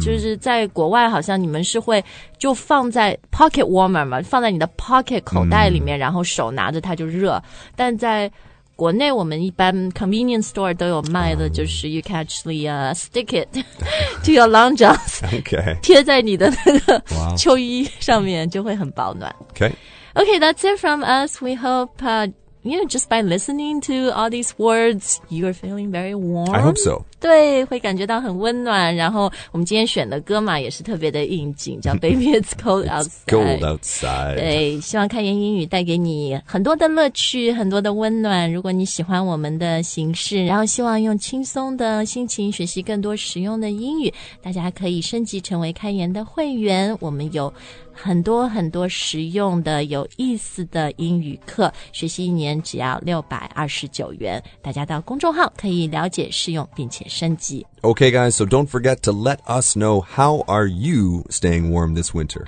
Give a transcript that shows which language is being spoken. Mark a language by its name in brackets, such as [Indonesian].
[Chinese] 就是在国外好像你们是会就放在 pocket warmer 嘛，放在你的 pocket 口袋里面、mm. 然后手拿着它就热，但在国内我们一般 convenience store 都有卖的、mm. [English] 就是 you can actually、stick it to your long johns okay. [Chinese] 贴在你的那个秋衣上面就会很保暖 [English] Okay, okay, that's it from us. We hope... You know, just by listening to all these words, you are feeling very warm. I hope so. [Chinese] 对，会感觉到很温暖。然后我们今天选的歌嘛，也是特别的应景，叫 Baby, It's Cold Outside. [English] It's cold outside. [Chinese] 对，希望开言英语带给你很多的乐趣，很多的温暖。如果你喜欢我们的形式，然后希望用轻松的心情学习更多实用的英语，大家可以升级成为开言的会员。我们有很多很多实用的有意思的英语课，学习一年只要629元，大家到公众号可以了解试用并且升级。 [English] Okay guys, so don't forget to let us know, how are you staying warm this winter?